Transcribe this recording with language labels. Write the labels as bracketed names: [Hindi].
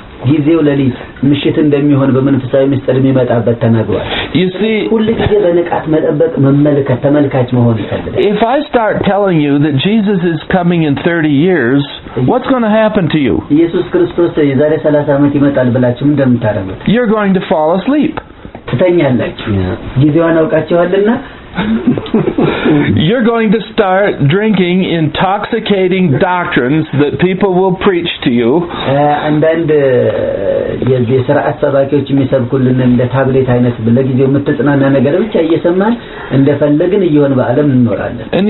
[Amharic] ጊዜው ለሊት ምሽት እንደሚሆን በመንፈሳዊ ምስጢር የሚመጣበት ተናግሯል. [English] You see, [Amharic] ሁሉ ጊዜ በንቃት መጠበቅ መመልከት ተመልካች መሆን ይፈልጋል. [English] If I start telling you that Jesus is coming in 30 years, what's going to happen to you? [Amharic] ኢየሱስ ክርስቶስ የዛሬ 30 ዓመት ይመጣል ብላችሁ እንደምታረጉት. [English] You're going to fall asleep. [Amharic] ትተኛላችሁ. ጊዜውን አውቃችኋልና. [English] You're going to start drinking intoxicating doctrines that people will preach to you. And